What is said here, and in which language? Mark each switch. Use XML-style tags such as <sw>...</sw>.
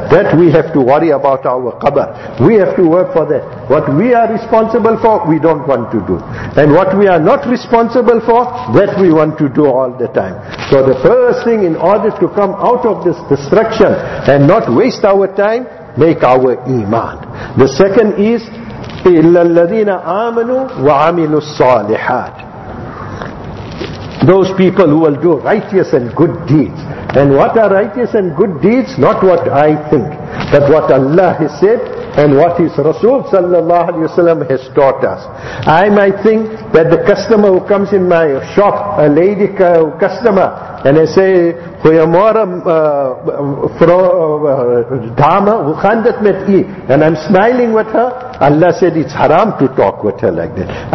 <en>That we have to worry about our qabr. We have to work for that. What we are responsible for, we don't want to do. And what we are not responsible for, that we want to do all the time. So the first thing, in order to come out of this destruction and not waste our time, make our iman. The second is,</en> <ar>إِلَّا الَّذِينَ آمَنُوا وَعَمِلُوا الصَّالِحَاتِ.</ar> <en>Those people who will do righteous and good deeds. And what are righteous and good deeds? Not what I think, but what Allah has said and what His Rasul sallallahu alayhi wasallam has taught us. I might think that the customer who comes in my shop, a lady customer, and I say, and I'm smiling with her, Allah said it's haram to talk with her like that.</en>